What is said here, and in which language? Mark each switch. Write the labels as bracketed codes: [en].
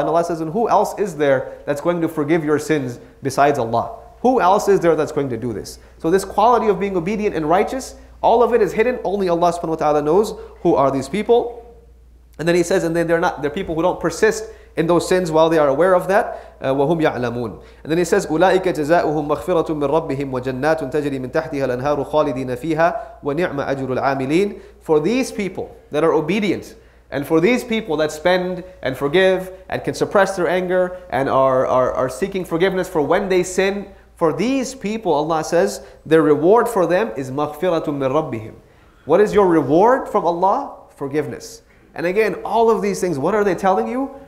[en] And Allah says, and who else is there that's going to forgive your sins besides Allah? Who else is there that's going to do this? So this quality of being obedient and righteous, all of it is hidden. Only Allah subhanahu wa ta'ala knows who are these people. And then he says, and then they're people who don't persist in those sins while they are aware of that. [ar] وَهُمْ يَعْلَمُونَ. [en] And then he says, [ar] أُولَئِكَ جَزَاؤُهُمْ مَغْفِرَةٌ مِّن رَبِّهِمْ وَجَنَّاتٌ تَجْرِي مِن تَحْتِهَا الْأَنْهَارُ خَالِدِينَ فِيهَا وَنِعْمَ أَجْرُ الْعَامِلِينَ. [en] For these people that are obedient, and for these people that spend and forgive and can suppress their anger and are seeking forgiveness for when they sin, for these people, Allah says, their reward for them is [ar] مَغْفِرَةٌ مِّن رَبِّهِمْ. [en] What is your reward from Allah? Forgiveness. And again, all of these things, what are they telling you?